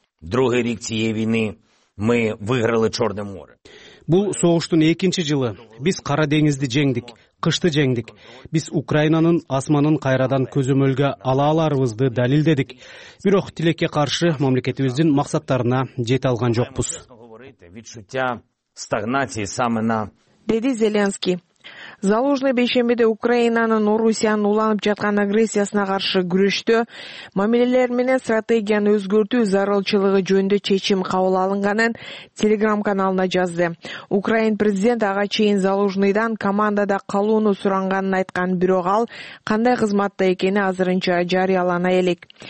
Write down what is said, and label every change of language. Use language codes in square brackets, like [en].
[uk] Другий рік цієї війни ми виграли Чорне море. [ky] Бул согуштун экинчи жылы. Биз Кара Деңизди жеңдик, кышты жеңдик. Биз Украинанын асманын кайрадан көзөмөлгө ала аларыбызды далилдедик. Бирок тилекке каршы мамлекетибиздин максаттарына жете алган жокпуз. [uk] Відчуття стагнації саме на [ky] деди Зеленский. Залужный бейшембиде Украинанын Орусиянын уланып жаткан агрессиясына каршы күрөштө мамилелер менен стратегияны өзгөртүү зарылчылыгы жөнүндө чечим кабыл алынганын Телеграм каналына жазды. Украин президент ага чейин Залужныйдан командада калууну суранганын айткан, бирок ал кандай кызматта экени азырынча жарыялана элек.